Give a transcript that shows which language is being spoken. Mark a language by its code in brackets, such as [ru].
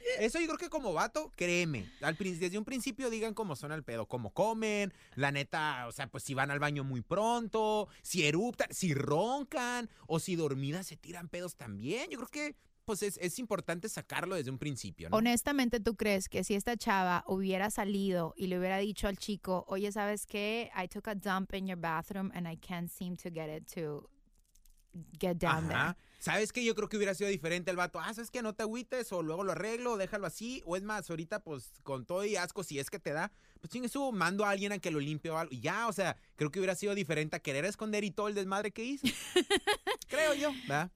[es] Eso yo creo que como vato, créeme, desde un principio digan cómo son al pedo, cómo comen, la neta, o sea, pues si van al baño muy pronto, si eruptan, si roncan o si dormidas se tiran pedos también. Yo creo que pues es importante sacarlo desde un principio, ¿no? Honestamente, ¿tú crees que si esta chava hubiera salido y le hubiera dicho al chico, oye, ¿sabes qué? [en] I took a dump in your bathroom and I can't seem to get it to... get down there. [es] ¿Sabes qué? Yo creo que hubiera sido diferente el vato. ¿Sabes qué? No te agüites o luego lo arreglo, déjalo así. O es más, ahorita, pues, con todo y asco, si es que te da, pues, chingue su, mando a alguien a que lo limpie o algo. Y ya, o sea, creo que hubiera sido diferente a querer esconder y todo el desmadre que hizo. Creo yo, ¿verdad?